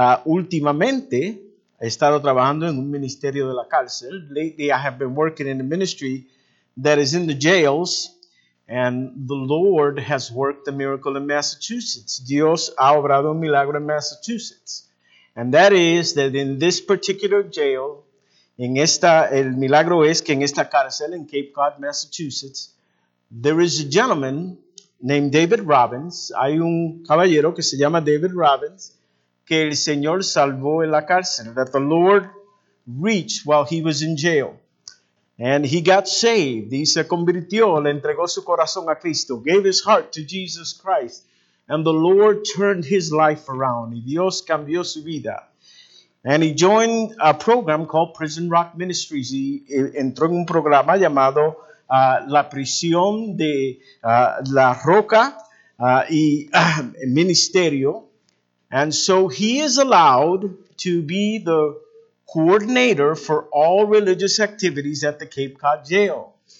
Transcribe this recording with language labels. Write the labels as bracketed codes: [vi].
[es] Últimamente, he estado trabajando en un ministerio de la cárcel. [en] Lately, I have been working in a ministry that is in the jails. And the Lord has worked a miracle in Massachusetts. [es] Dios ha obrado un milagro en Massachusetts. [en] And that is that in this particular jail, [es] el milagro es que en esta cárcel [en] in Cape Cod, Massachusetts, there is a gentleman named David Robbins. [es] Hay un caballero que se llama David Robbins, que el Señor salvó en la cárcel, [en] that the Lord reached while he was in jail. And he got saved. [es] Y se convirtió, le entregó su corazón a Cristo, [en] gave his heart to Jesus Christ. And the Lord turned his life around. [es] Y Dios cambió su vida. [en] And he joined a program called Prison Rock Ministries. [es] Y entró en un programa llamado La Prisión de La Roca y Ministerio. [en] And so he is allowed to be the coordinator for all religious activities at the Cape Cod Jail.